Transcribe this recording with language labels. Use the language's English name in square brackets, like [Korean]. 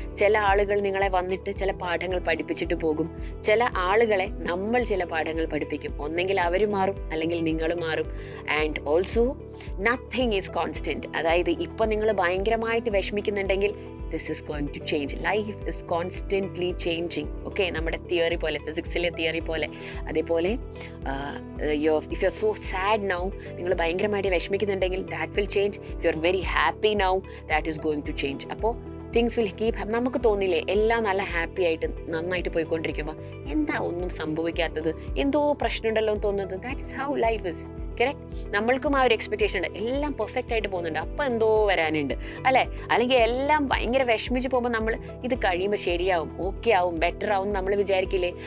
[Malayalam] ചില ആളുകൾ നിങ്ങളെ വന്നിട്ട് ചില പാഠങ്ങൾ പഠിപ്പിച്ചിട്ട് പോകും, ചില ആളുകളെ നമ്മൾ ചില പാഠങ്ങൾ പഠിപ്പിക്കും. ഒന്നെങ്കിൽ അവർ മാറും, അല്ലെങ്കിൽ നിങ്ങൾ മാറും. [English] And also nothing is constant. [Malayalam] അതായത് ഇപ്പം നിങ്ങൾ ഭയങ്കരമായിട്ട് വിഷമിക്കുന്നുണ്ടെങ്കിൽ [English] this is going to change. Life is constantly changing. Okay, [Malayalam] nammada theory pole, physics ile theory pole, adhe pole [English] if you're so sad now, [Malayalam] ningal bayangaramayite vishamikkunnundengil, [English] that will change. If you're very happy now, that is going to change. [Malayalam] Appo [English] things will keep happening. [Malayalam] നമുക്ക് തോന്നില്ലേ എല്ലാം നല്ല happy ആയിട്ട് നന്നായിട്ട് പോയിക്കൊണ്ടിരിക്കുമ്പോൾ എന്താ ഒന്നും സംഭവിക്കാത്തത്, എന്തോ പ്രശ്നമുണ്ടല്ലോ എന്ന് തോന്നുന്നത്? [English] That is how life is. [Malayalam] നമ്മൾക്കും ആ ഒരു എക്സ്പെക്ടേഷൻ ഉണ്ട്, എല്ലാം പെർഫെക്റ്റ് ആയിട്ട് പോകുന്നുണ്ട്, അപ്പം എന്തോ വരാനുണ്ട് അല്ലേ. അല്ലെങ്കിൽ എല്ലാം ഭയങ്കര വിഷമിച്ച് പോകുമ്പോൾ നമ്മൾ ഇത് കഴിയുമ്പോൾ ശരിയാവും, ഓക്കെ ആവും, ബെറ്റർ ആവും നമ്മൾ വിചാരിക്കില്ലേ.